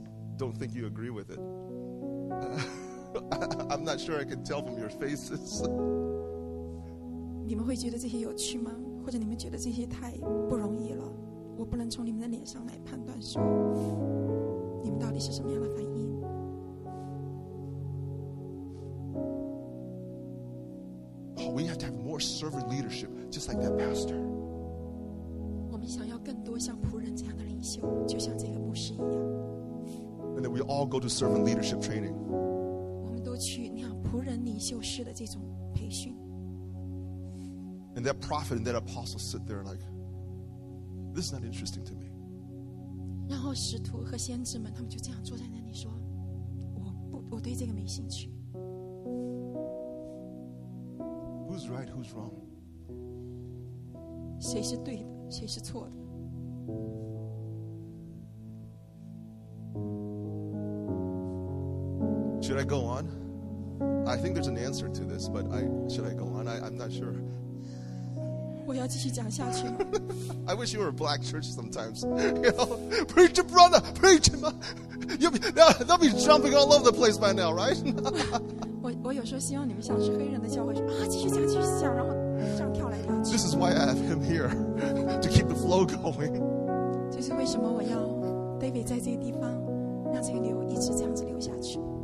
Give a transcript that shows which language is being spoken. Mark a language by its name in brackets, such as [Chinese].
[English] 、I'm not sure I can tell from your faces. [Chinese] 你们会觉得这些有趣吗？或者你们觉得这些太不容易了？我不能从你们的脸上来判断说你们到底是什么样的反应。 [English] Oh, we have to have more servant leadership, just like that pastor. [Chinese] 我们想要更多像仆人这样的领袖，就像这个牧师一样。 [English] And that we all go to servant leadership training. [Chinese] 我们都去那样仆人领袖式的这种培训。 [English] And that prophet and that apostle sit there like, this is not interesting to me. [Chinese] 然后使徒和先知们他们就这样坐在那里说，我对这个没兴趣。 [English] Who's right? Who's wrong? [Chinese] 谁是对的？谁是错的？ [English] Should I go on? I think there's an answer to this, but should I go on? I'm not sure. [Chinese] 我要继续讲下去。 [English] I wish you were a black church sometimes. You know, preach, brother, preach. They'll be jumping all over the place by now, right? [Chinese] 我有时候希望你们像是黑人的教会啊，继续讲，继续讲，然后这样跳来跳去。 [English] This is why I have him here to keep the flow going. [Chinese] 这是为什么我要 David 在这个地方，让这个流一直这样子流下去。